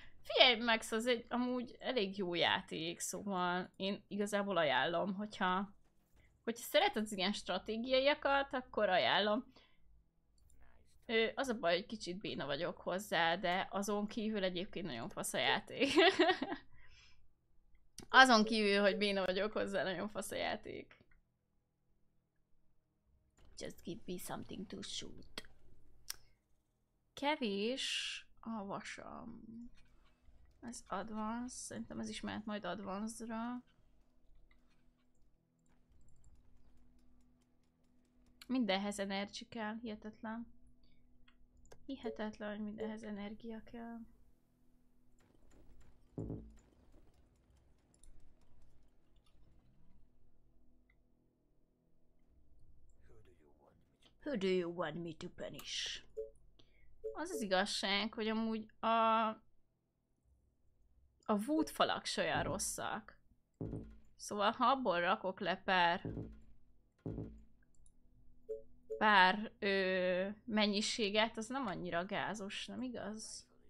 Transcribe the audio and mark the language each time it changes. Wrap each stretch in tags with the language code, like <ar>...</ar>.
<hu>Figyelj, Max, az egy amúgy elég jó játék, szóval én igazából ajánlom, hogyha szereted az ilyen stratégiaiakat, akkor ajánlom. Az a baj, hogy kicsit béna vagyok hozzá, de azon kívül egyébként nagyon fasz a játék. Azon kívül, hogy béna vagyok hozzá, nagyon fasz a játék.</hu> <en>Just give me something to shoot.</en> <hu>Kevés a vasam. Ez advance. Szerintem ez is mehet majd advance-ra. Mindenhez energy kell. Hihetetlen. Hihetetlen, hogy mindenhez energia kell.</hu> <en>Who do you want me to punish?</en> <hu>Az az igazság, hogy amúgy a wood falak se olyan rosszak. Szóval ha abból rakok le pár mennyiséget, az nem annyira gázos, nem igaz?</hu>